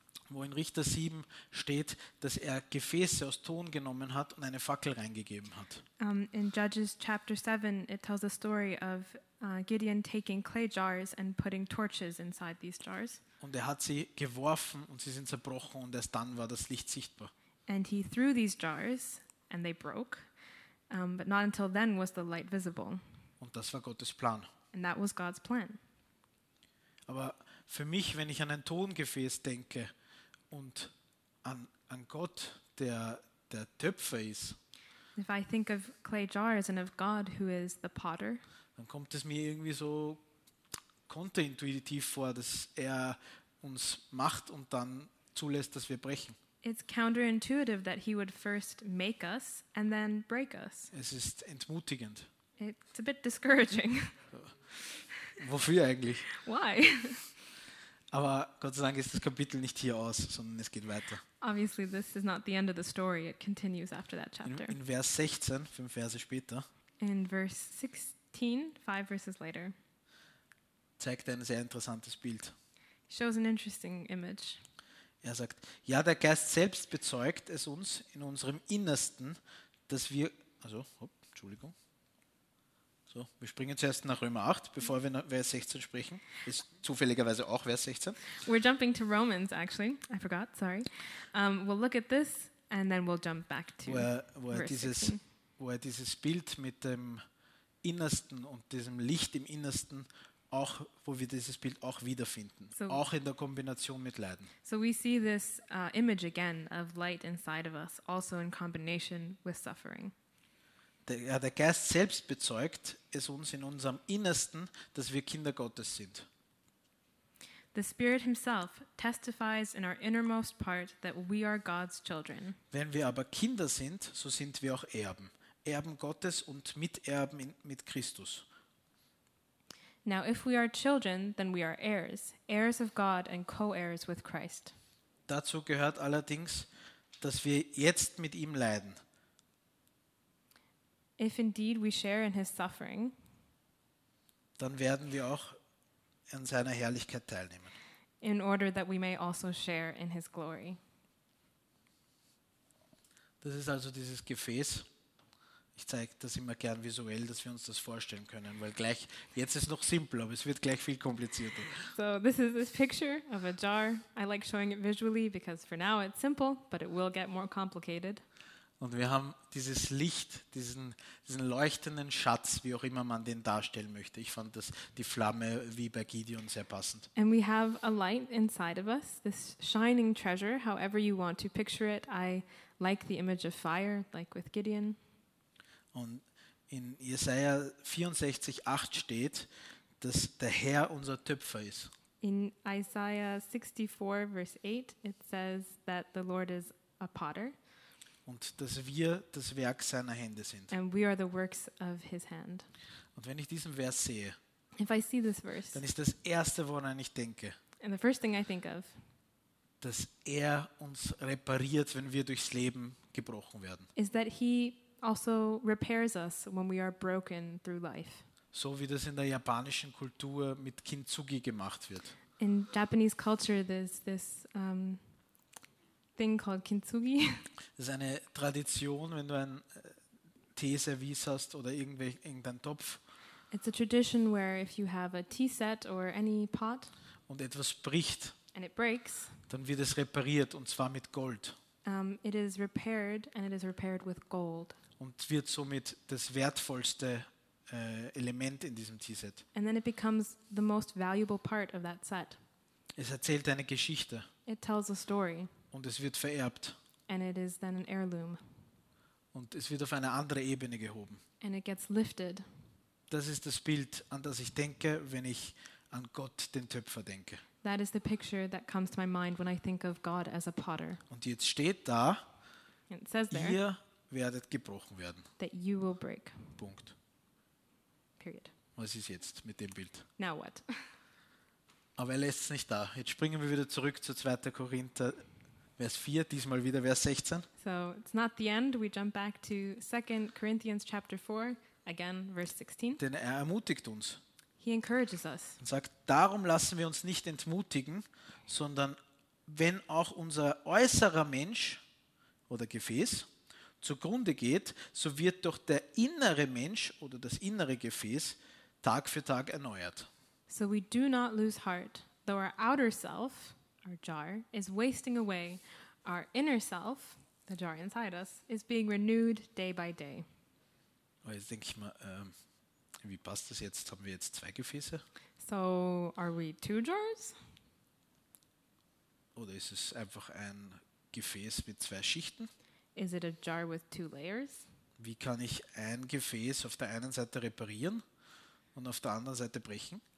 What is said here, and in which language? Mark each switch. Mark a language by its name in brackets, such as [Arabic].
[German] Wo in Richter 7 steht, dass er Gefäße aus Ton genommen hat und eine Fackel reingegeben hat. [English] In Judges chapter 7 it tells a story of Gideon taking clay jars and putting torches inside these jars. [German] Und er hat sie geworfen und sie sind zerbrochen und erst dann war das Licht sichtbar. [English] And he threw these jars and they broke. But not until then was the light visible. [German] Und das war Gottes Plan. [English] And that was God's plan. [German] Aber für mich, wenn ich an ein Tongefäß denke, und an Gott, der Töpfer ist. [English] If I think of clay jars and of God who is the potter, [German] dann kommt es mir irgendwie so counterintuitiv vor, dass er uns macht und dann zulässt, dass wir brechen. [English] It's counterintuitive that he would first make us and then break us. [German] Es ist entmutigend. [English] It's a bit discouraging. [German] Wofür eigentlich? [English] Why? [German] Aber Gott sei Dank ist das Kapitel nicht hier aus, sondern es geht weiter. [English] Obviously this is not the end of the story. It continues after that chapter. [German] In Vers 16, fünf Verse später. [English] In verse 16, five verses later. [German] Zeigt ein sehr interessantes Bild. [English] Shows an interesting image. [German] Er sagt, ja, der Geist selbst bezeugt es uns in unserem Innersten, dass wir, also, Entschuldigung. So, wir springen zuerst nach Römer 8, bevor wir nach Vers 16 sprechen. Ist zufälligerweise auch Vers 16. [English] We're jumping to Romans, actually. I forgot, sorry. We'll look at this and then we'll jump back to [German] wo er dieses Bild mit dem Innersten und diesem Licht im Innersten auch, wo wir dieses Bild auch wiederfinden, so, auch in der Kombination mit Leiden. [English] So we see this image again of light inside of us, also in combination with suffering. [German] Der Geist selbst bezeugt es uns in unserem Innersten, dass wir Kinder Gottes sind. [English] The Spirit himself testifies in our innermost part that we are God's children. [German] Wenn wir aber Kinder sind, so sind wir auch Erben. Erben Gottes und Miterben mit Christus. [English] Now if we are children, then we are heirs, heirs of God and co-heirs with Christ. [German] Dazu gehört allerdings, dass wir jetzt mit ihm leiden. [English] If indeed we share in his suffering, [German] dann werden wir auch an seiner Herrlichkeit teilnehmen. [English] In order that we may also share in his glory. [German] Das ist also dieses Gefäß. Ich zeige das immer gern visuell, dass wir uns das vorstellen können, weil gleich, jetzt ist es noch simpler, aber es wird gleich viel komplizierter. [English] So, this is this picture of a jar. I like showing it visually because for now it's simple, but it will get more complicated. [German] Und wir haben dieses Licht, diesen leuchtenden Schatz, wie auch immer man den darstellen möchte. Ich fand das, die Flamme wie bei Gideon, sehr passend. [English] And we have a light inside of us, this shining treasure, however you want to picture it. I like the image of fire, like with Gideon. [German] Und in Jesaja 64, 8 steht, dass der Herr unser Töpfer ist. [English] In Isaiah 64, verse 8, it says that the Lord is a potter. [German] Und dass wir das Werk seiner Hände sind. [English] And we are the works of his hand. [German] Und wenn ich diesen Vers sehe, [English] if I see this verse, [German] dann ist das Erste, woran ich denke, [English] and the first thing I think of, [German] dass er uns repariert, wenn wir durchs Leben gebrochen werden. [English] Is that he also repairs us when we are broken through life. [German] So wie das in der japanischen Kultur mit Kintsugi gemacht wird. [English] In Japanese culture there's this thing called Kintsugi. [German] Das ist eine Tradition, wenn du ein Teeservice hast oder irgendein Topf. [English] It's a tradition where if you have a tea set or any pot [German] und etwas bricht, [English] and it breaks, [German] dann wird es repariert und zwar mit Gold. [English] It is repaired and it is repaired with gold. [German] Und wird somit das wertvollste Element in diesem Teeset. [English] And then it becomes the most valuable part of that set. [German] Es erzählt eine Geschichte. [English] It tells a story. [German] Und es wird vererbt. [English] And it is then an heirloom. [German] Und es wird auf eine andere Ebene gehoben. [English] And it gets lifted. [German] Das ist das Bild, an das ich denke, wenn ich an Gott, den Töpfer, denke. [English] That is the picture that comes to my mind when I think of God as a potter. [German] Und jetzt steht da, [English] it says there, [German] ihr werdet gebrochen werden. [English] That you will break. [German] Punkt. [English] Period. [German] Was ist jetzt mit dem Bild? [English] Now what? [German] Aber er lässt es nicht da. Jetzt springen wir wieder zurück zu 2. Korinther, Vers 4, diesmal wieder Vers 16. [English] So, it's not the end. We jump back to 2 Corinthians chapter 4, again verse 16. [German] Denn er ermutigt uns. [English] He encourages us. [German] Und sagt, darum lassen wir uns nicht entmutigen, sondern wenn auch unser äußerer Mensch oder Gefäß zugrunde geht, so wird doch der innere Mensch oder das innere Gefäß Tag für Tag erneuert. [English] So we do not lose heart, though our outer self, our jar, is wasting away, our inner self, the jar inside us, is being renewed day by day. [German] Oh, jetzt denke ich mal, wie passt das jetzt? Haben wir jetzt zwei Gefäße? [English] So, are we two jars? [German] Oder ist es einfach ein Gefäß mit zwei Schichten? [English] Is it a jar with two layers? [German] Wie kann ich ein Gefäß auf der einen Seite reparieren und auf der anderen Seite brechen?